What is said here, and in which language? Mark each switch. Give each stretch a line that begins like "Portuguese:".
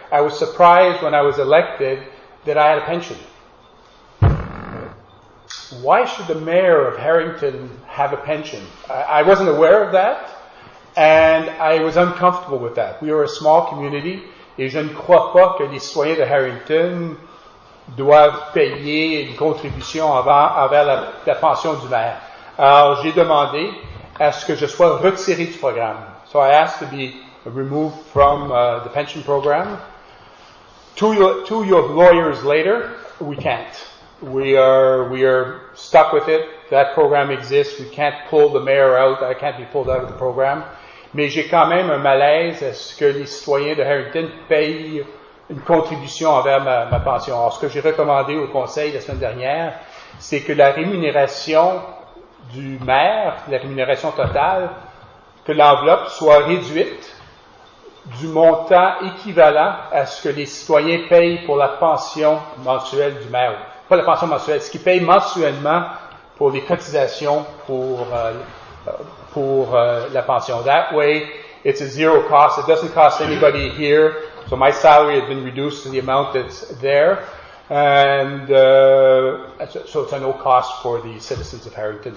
English: I was surprised when I was elected that I had a pension. Why should the mayor of Harrington have a pension? I wasn't aware of that, and I was uncomfortable with that. We are a small community,
French: et je ne crois pas que les citoyens de Harrington doivent payer une contribution envers la pension du maire. Alors, j'ai demandé à ce que je sois retiré du programme.
English: So I asked to be removed from the pension program. Two lawyers later, we can't. We are stuck with it. That program exists. We can't pull the mayor out. I can't be pulled out of the program.
French: Mais j'ai quand même un malaise à ce que les citoyens de Harrington payent une contribution envers ma pension. Alors, ce que j'ai recommandé au conseil la semaine dernière, c'est que la rémunération du maire, la rémunération totale, que l'enveloppe soit réduite du montant équivalent à ce que les citoyens payent pour la pension mensuelle du maire. Pas la pension mensuelle, ce qu'ils payent mensuellement pour les cotisations pour la pension.
English: That way, it's a zero cost. It doesn't cost anybody here. So my salary has been reduced to the amount that's there. And so it's a no cost for the citizens of Harrington.